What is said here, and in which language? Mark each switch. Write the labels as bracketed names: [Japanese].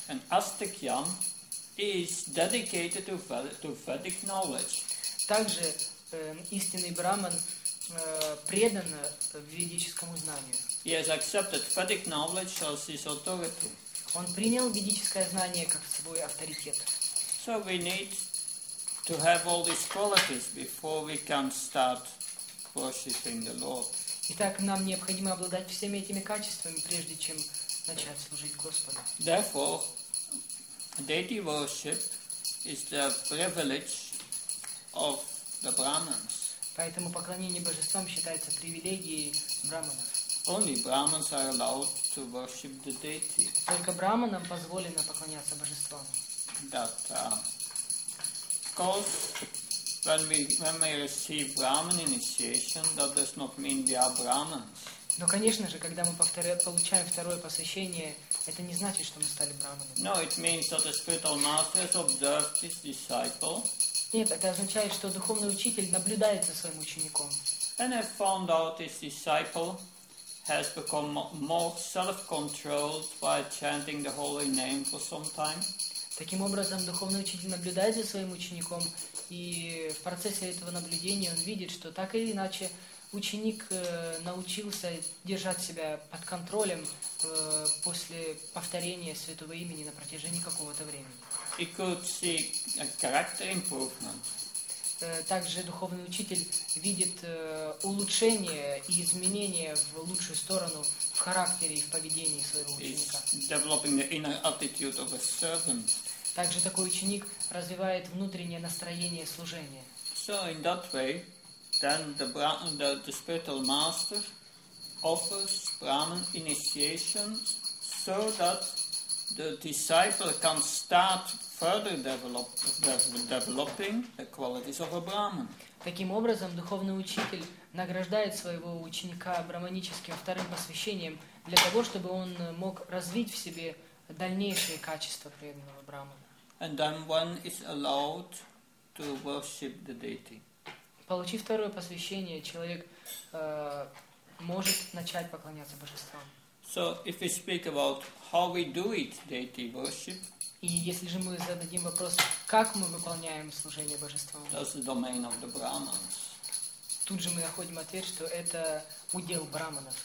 [English] And astakyam is dedicated to Vedic knowledge. [Russian] Также истинный Брахман предан ведическому знанию. [English] He has accepted Vedic knowledge as his authority. [Russian] Он принял ведическое знание как свой авторитет. [English] So we need to have all these qualities before we can start worshiping the Lord. [Russian] Итак, нам необходимо обладать всеми этими качествами, прежде чем начать служить Господу. [English] Therefore, deity worship is the privilege of the Brahmins. [Russian] Поэтому поклонение божествам считается привилегией Брахманов. [English] Only Brahmins are allowed to worship the deity. [Russian] Только Брахманам позволено поклоняться божествам. [English] That, of course, when we receive Brahman initiation, that does not mean we are Brahmins. [Russian] Но, конечно же, когда мы получаем второе посвящение, это не значит, что мы стали Брахманами. [English] No, it means that the spiritual master has observed his disciple. [Russian] Нет, это означает, что духовный учитель наблюдает за своим учеником. [English] And has found out his disciple has become more self-controlled by chanting the holy name for some time. [Russian] Таким образом, духовный учитель наблюдает за своим учеником, и в процессе этого наблюдения он видит, что так или иначе ученик научился держать себя под контролем после повторения святого имени на протяжении какого-то времени. [English] He could see a character improvement. [Russian] Также духовный учитель видит улучшение и изменение в лучшую сторону в характере и в поведении своего ученика. [English] He's developing the inner attitude of a servant. [Russian] Также такой ученик развивает внутреннее настроение служения. [English] So in that way, then the spiritual master offers Brahman initiation so that the disciple can start further developing the qualities of a Brahman. [Russian] Таким образом, духовный учитель награждает своего ученика брахманическим вторым посвящением для того, чтобы он мог развить в себе дальнейшие качества преданного брахмана. [English] And then one is allowed to worship the deity. [Russian] Получив второе посвящение, человек может начать поклоняться божествам. [English] So if we speak about how we do it, deity worship. [Russian] И если же мы зададим вопрос, как мы выполняем служение божествам? [English] That's the domain of the brahmanas. [Russian] Тут же мы находим ответ, что это удел брахманов.